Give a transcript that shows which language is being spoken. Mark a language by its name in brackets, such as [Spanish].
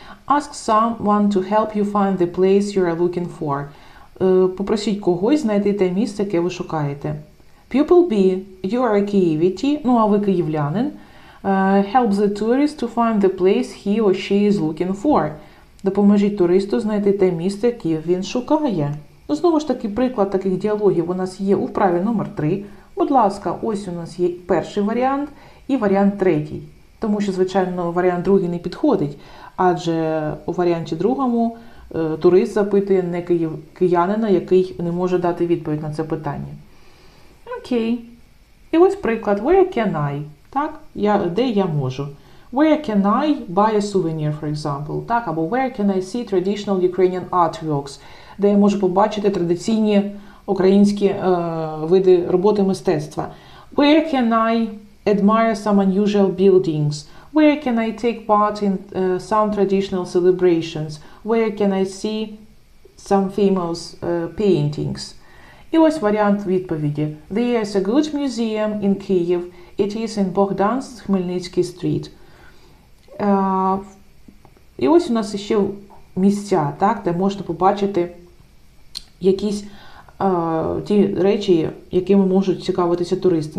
[English] Ask someone to help you find the place you are looking for. [Ukrainian] Попросіть когось знайти те місце, яке ви шукаєте. [English] Pupil B, you are a Kyivite, [Ukrainian] ну а ви київлянин. [English] Help the tourist to find the place he or she is looking for. [Ukrainian] Допоможіть туристу знайти те місце, яке він шукає. Ну, знову ж таки, приклад таких діалогів у нас є у вправі номер 3. Будь ласка, ось у нас є перший варіант і варіант третій. Тому що, звичайно, варіант другий не підходить. Адже у варіанті другому турист запитує не киянина, який не може дати відповідь на це питання. Окей. І ось приклад. [English] Where can I? [Ukrainian] Так? Я, де я можу? [English] Where can I buy a souvenir, for example? [Ukrainian] Так? [English] Або where can I see traditional Ukrainian artworks? [Ukrainian] Де я можу побачити традиційні українські види роботи мистецтва? [English] Where can I admire some unusual buildings? Where can I take part in some traditional celebrations? Where can I see some famous paintings? [Ukrainian] І ось варіант відповіді. [English] There is a good museum in Kyiv. It is in Bogdan's Хмельницький стріт. [Ukrainian] І ось у нас ще місця, так, де можна побачити якісь ті речі, якими можуть цікавитися туристи.